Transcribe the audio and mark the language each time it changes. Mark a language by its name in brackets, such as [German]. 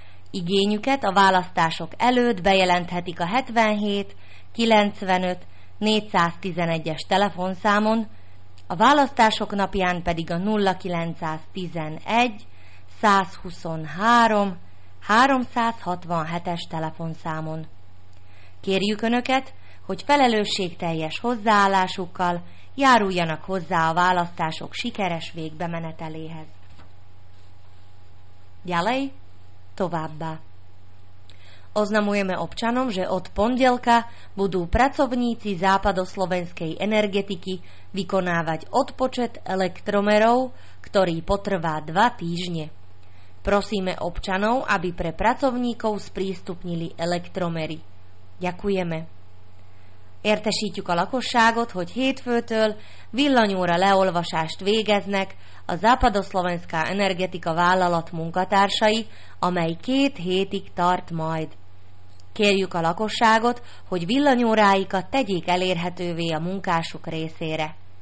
[Hungarian] Igényüket a választások előtt bejelenthetik a 77-95-411-es telefonszámon, a választások napján pedig a 0911-123-367-es telefonszámon. Kérjük Önöket, hogy felelősségteljes hozzáállásukkal járuljanak hozzá a választások sikeres végbemeneteléhez. [Slovak] Ďalej, [Hungarian] továbbá. [Slovak] Oznamujeme občanom, že od pondelka budú pracovníci západoslovenskej energetiky vykonávať odpočet elektromerov, ktorý potrvá 2 týždne. Prosíme občanov, aby pre pracovníkov sprístupnili elektromery. Ďakujeme. [Hungarian] Értesítjük a lakosságot, hogy hétfőtől villanyóra leolvasást végeznek a Západoszlovenská Energetika vállalat munkatársai, amely 2 hétig tart majd. Kérjük a lakosságot, hogy villanyóráikat tegyék elérhetővé a munkásuk részére.